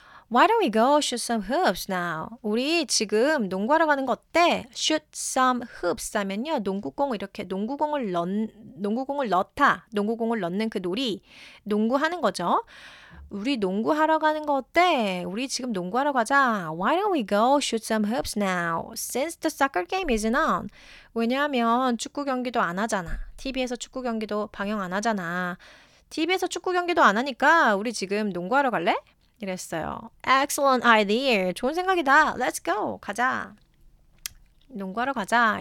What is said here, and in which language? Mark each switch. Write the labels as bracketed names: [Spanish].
[English] Why don't we go shoot some hoops now? [Korean] 우리 지금 농구하러 가는 거 어때? Shoot some hoops 하면요. 농구공을 이렇게 농구공을 넣는 그 놀이. 농구하는 거죠. 우리 농구하러 가는 거 어때? 우리 지금 농구하러 가자. [English] Why don't we go shoot some hoops now? Since the soccer game isn't on. [Korean] 왜냐하면 축구 경기도 안 하잖아. TV에서 축구 경기도 방영 안 하잖아. TV에서 축구 경기도 안 하니까 우리 지금 농구하러 갈래? 이랬어요. [English] Excellent idea. [Korean] 좋은 생각이다. [English] Let's go. [Korean] 가자. 농구하러 가자.